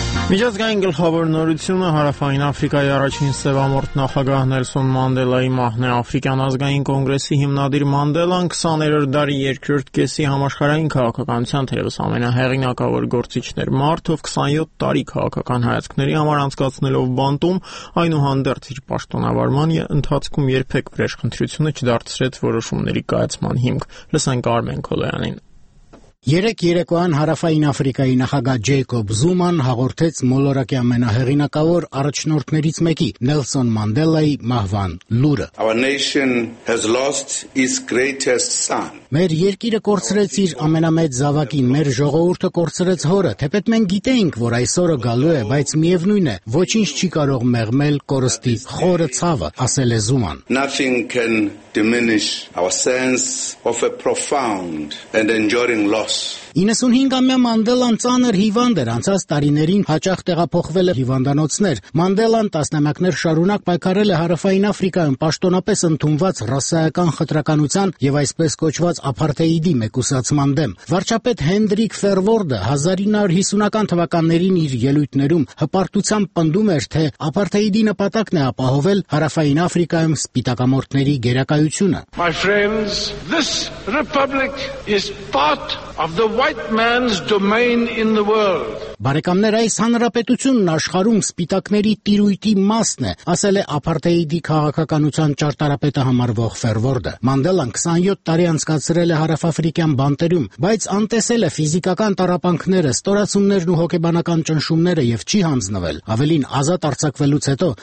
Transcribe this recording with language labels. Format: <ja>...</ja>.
<hy>Միջազգային գլխավոր նորությունը Հարավային Աֆրիկայի առաջին սևամորթ նախագահ Նելսոն Մանդելայի մահն է։ Աֆրիկյան ազգային կոնգրեսի հիմնադիր Մանդելան 20-րդ դարի երկրորդ կեսի համաշխարհային քաղաքականության թերևս ամենահեղինակավոր գործիչներ մարդով 27 տարի քաղաքական հայացքների համար անցկացնելով բանտում, այնուհանդերձ իր պաշտոնավարման ընթացքում երբեք վրեժ խնդրությունը չդարձրեց որոշումների կայացման հիմք։ Լսենք Արմեն Քոլոյանին։ 3-3-ին Հարավային Աֆրիկայի նախագահ Ջեյկոբ Զուման հաղորդեց մոլորակի ամենահեղինակավոր առաջնորդներից մեկի Նելսոն Մանդելայի մահվան լուրը։</hy> <en>Our nation has lost its greatest son.</en> <hy>Մեր երկիրը կորցրեց իր ամենամեծ զավակին, մեր ժողովուրդը կորցրեց հորը, թեպետ մենք գիտեինք, որ այսօրը գալու է, բայց միևնույն է, ոչինչ չի կարող մեղմել կորստի խորը ցավը, ասել է Զուման։</hy> <en>Nothing can diminish our sense of a profound and enduring loss.</en> <hy>95-ամյա Մանդելան ծանր հիվանդ էր, անցած տարիներին հաճախ տեղափոխվել է հիվանդանոցներ։ Մանդելան տասնամյակներ շարունակ պայքարել է Հարավային Աֆրիկայում պաշտոնապես ընդունված ռասայական խտրականության եւ այսպես կոչված ապարթեիդի մեկուսացման դեմ։ Վարչապետ Հենդրիկ Ֆերվորդը 1950-ական թվականներին իր ելույթներում հպարտությամբ պնդում էր, թե ապարթեիդի նպատակն է ապահովել Հարավային Աֆրիկայում սպիտակամորթների գերակայությունը։</hy> <en>My friends, this republic is part of the white man's domain in the world.</en> <hy>Բարեկամներ, այս հանրապետությունն աշխարհում սպիտակների տիրույթի մասն է, ասել է ապարթեիդի քաղաքականության ճարտարապետը համարվող Ֆերվորդը։ Մանդելան 27 տարի անցկացրել է հարավաֆրիկյան բանտերում, բայց անտեսել է ֆիզիկական տառապանքները, ստորացումներն ու հոգեբանական ճնշումները եւ չի համձնվել։ Ավելին, ազատ արձակվելուց հետո</hy>